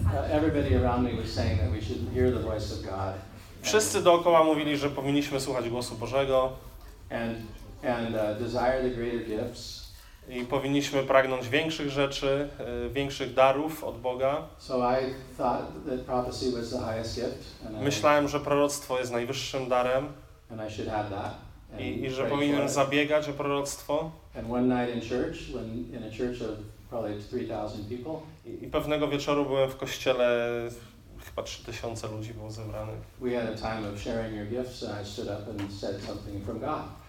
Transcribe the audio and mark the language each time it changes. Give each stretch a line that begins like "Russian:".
English: Everybody around me was saying that we should hear the voice of God.
Polish: Wszyscy dookoła mówili, że powinniśmy słuchać głosu Bożego.
English: And desire the greater gifts.
Polish: I powinniśmy pragnąć większych rzeczy, większych darów od Boga.
English: So I thought that prophecy was the highest gift.
Polish: Myślałem, że proroctwo jest najwyższym darem.
English: And I should have that.
Polish: I że powinienem zabiegać o proroctwo.
English: And one night in church, when in a church of probably 3,000 people.
Polish: I pewnego wieczoru byłem w kościele, chyba 3,000 ludzi było zebranych.
English: We had a time of sharing your gifts, and I stood up and said something from God.